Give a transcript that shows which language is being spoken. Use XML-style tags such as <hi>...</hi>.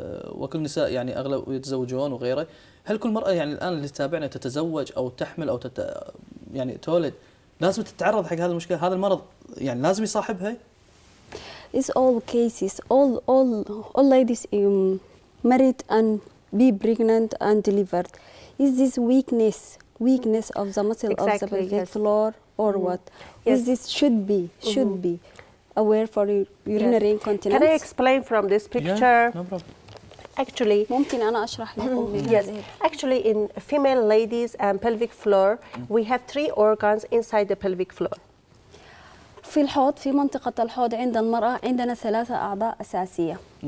<ar>وكل النساء يعني اغلب يتزوجون وغيره، هل كل مرأة يعني الان اللي تتابعنا تتزوج او تحمل او يعني تولد لازم تتعرض حق هذا المشكله، هذا المرض يعني لازم يصاحبها؟</ar> <en>It's all cases, all ladies married and be pregnant and delivered. Is this weakness of the muscle exactly, of the pelvic yes. floor or what? Yes. This should mm-hmm. be aware for urinary yes. incontinence. Can I explain from this picture? Yeah, no problem. Actually,</en> <ar>ممكن أنا أشرح لكم.</ar> <en>Yes. Actually, in female ladies and pelvic floor, we have three organs inside the pelvic floor.</en> <ar>في الحوض في منطقة الحوض عند المرأة عندنا ثلاثة أعضاء أساسية.</ar>